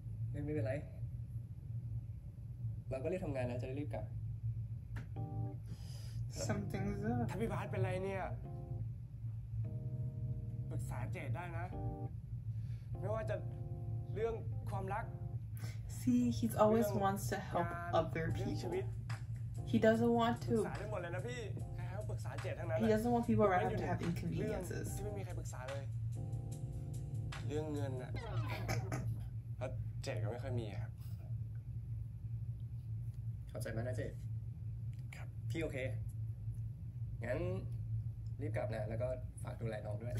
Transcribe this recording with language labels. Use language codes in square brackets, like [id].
[th] ไม่เป็นไรเราก็รีบทำงานนะจะได้รีบกลับ [en] Something's up. [th] ถ้าพี่บาสเป็นไรเนี่ยปรึกษาเจดได้นะไม่ว่าจะเรื่องความรัก [en] See, he always wants to help other people. He doesn't want to. [th] ปรึกษาได้หมดเลยนะพี่ใครให้ปรึกษาเจดทั้งนั้น [en] He doesn't want people around him to have inconveniences. [th] ที่ไม่มีใครปรึกษาเลยเรื่องเงินอะ เพราะเจดก็ไม่ค่อยมีครับ เข้าใจไหมนะเจดพี่โอเคงั้นรีบกลับนะแล้วก็ฝากดูแลน้องด้วย